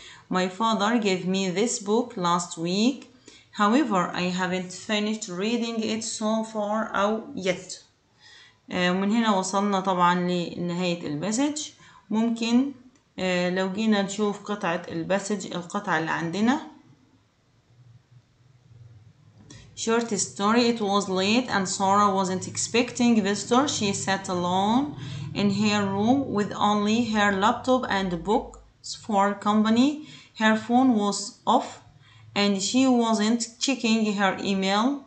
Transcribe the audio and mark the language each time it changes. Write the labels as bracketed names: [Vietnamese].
[English] My father gave me this book last week. However, I haven't finished reading it so far or yet. [Arabic] ومن هنا وصلنا طبعا لنهاية المسج. ممكن لو جينا نشوف قطعة المسج القطعة اللي عندنا. [English] Short story. It was late and Sarah wasn't expecting visitors. She sat alone in her room with only her laptop and books for company. Her phone was off and she wasn't checking her email.